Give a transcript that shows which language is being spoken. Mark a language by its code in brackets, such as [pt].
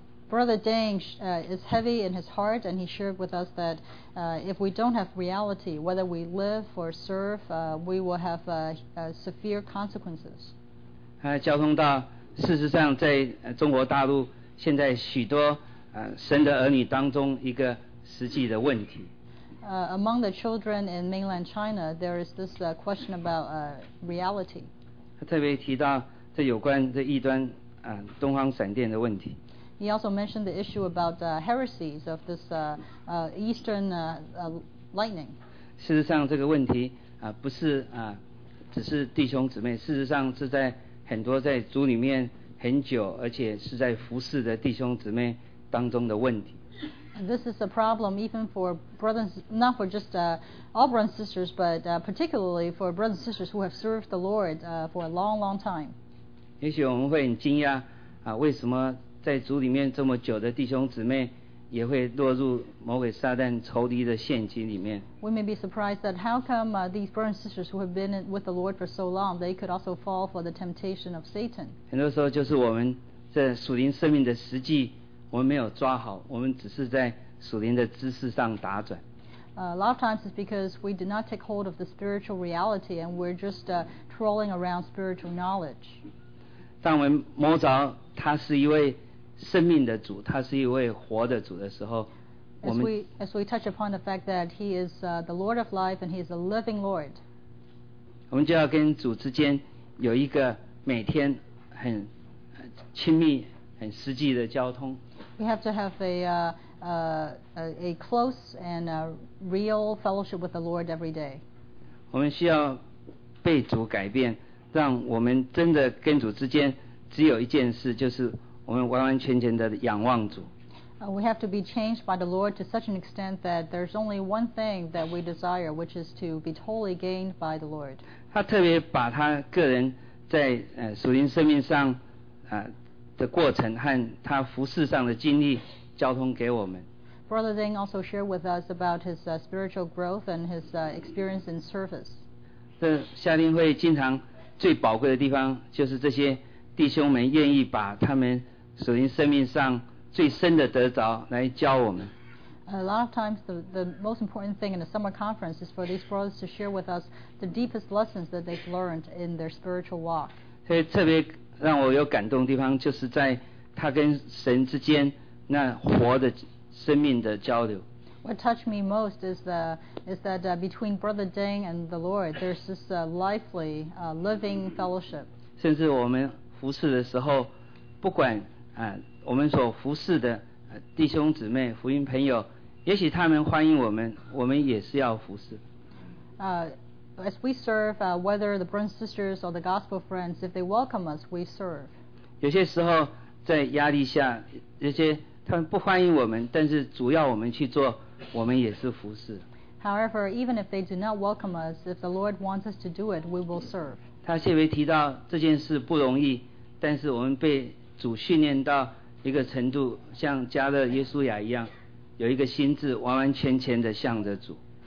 [en] Brother Dang is heavy in his heart, and he shared with us that if we don't have reality, whether we live or serve, we will have severe consequences. [zh] 交通道，事实上在中国大陆现在许多神的儿女当中一个实际的问题。 [en] Among the children in mainland China, there is this question about reality. [zh] 特别提到这有关这异端东方闪电的问题。 [en] He also mentioned the issue about heresies of this Eastern lightning. [zh] 事实上这个问题不是只是弟兄姊妹，事实上是在很多在主里面很久而且是在服侍的弟兄姊妹当中的问题。 [en] This is a problem even for brothers, not for just all brothers and sisters, but particularly for brothers and sisters who have served the Lord for a long, long time. [zh] 也许我们会很惊讶为什么在主里面这么久的弟兄姊妹也会落入魔鬼撒旦仇敌的陷阱里面。 [en] We may be surprised that how come these brothers and sisters who have been with the Lord for so long, they could also fall for the temptation of Satan. [zh] 很多时候就是我们这属灵生命的实际，我们没有抓好，我们只是在属灵的知识上打转。 [en] A lot of times it's because we did not take hold of the spiritual reality and we're just trolling around spiritual knowledge. [zh] 当我们摸着他是一位生命的主，他是一位活的主的时候，我们 [en] as we touch upon the fact that he is the Lord of life and he is a living Lord, [zh] 我们就要跟主之间有一个每天很亲密、很实际的交通。 [en] We have to have a close and a real fellowship with the Lord every day. [zh] 我们需要被主改变，让我们真的跟主之间只有一件事，就是我们完完全全的仰望主。 [en] We have to be changed by the Lord to such an extent that there's only one thing that we desire, which is to be totally gained by the Lord. [zh] 他特别把他个人在属灵生命上的过程和他服事上的经历交通给我们。 [en] Brother Ding also shared with us about his spiritual growth and his experience in service. [zh] 这夏令会经常最宝贵的地方就是这些弟兄们愿意把他们属灵生命上最深的得着来教我们。 [en] A lot of times the most important thing in a summer conference is for these brothers to share with us the deepest lessons that they've learned in their spiritual walk. [zh] 所以特别让我有感动的地方就是在他跟神之间那活的生命的交流。 [en] What touched me most is that between Brother Ding and the Lord, there's this lively, living fellowship. [zh] 甚至我们服侍的时候，不管我们所服侍的弟兄姊妹、福音朋友，也许他们欢迎我们，我们也是要服侍。 [en] As we serve, whether the brothers and sisters or the gospel friends, if they welcome us, we serve. [zh] 有些时候在压力下，有些他们不欢迎我们，但是主要我们去做，我们也是服侍。 [en] However, even if they do not welcome us, if the Lord wants us to do it, we will serve. [zh] 他特别提到这件事不容易，但是我们被主训练到一个程度，像加勒耶稣雅一样，有一个心智完完全全的向着主。